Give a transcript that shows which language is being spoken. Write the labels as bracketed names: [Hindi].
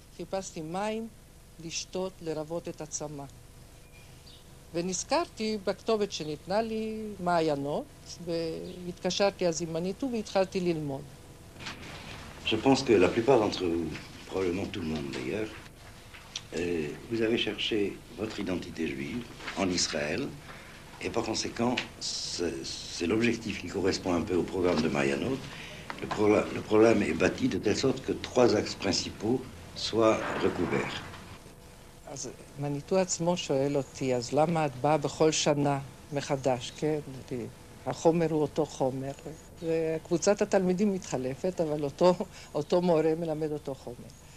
[Hebrew] חיפשתי מים לשתות, לרוות את עצמה. ונזכרתי בכתובת שניתנה לי מעיינות, והתקשרתי אז עם מניטו והתחלתי ללמוד. [French] Je pense que la plupart d'entre vous, probablement tout le monde d'ailleurs, vous avez cherché votre identité juive en Israël, et par conséquent, c'est l'objectif qui correspond un peu au programme de Mayanot. Le programme est bâti de telle sorte que trois axes principaux soient recouverts. [Hebrew] אז מניטו עצמו שואל אותי, אז למה את באה בכל שנה מחדש, כן? החומר הוא אותו חומר, וקבוצת התלמידים מתחלפת, אבל אותו מורה מלמד אותו חומר.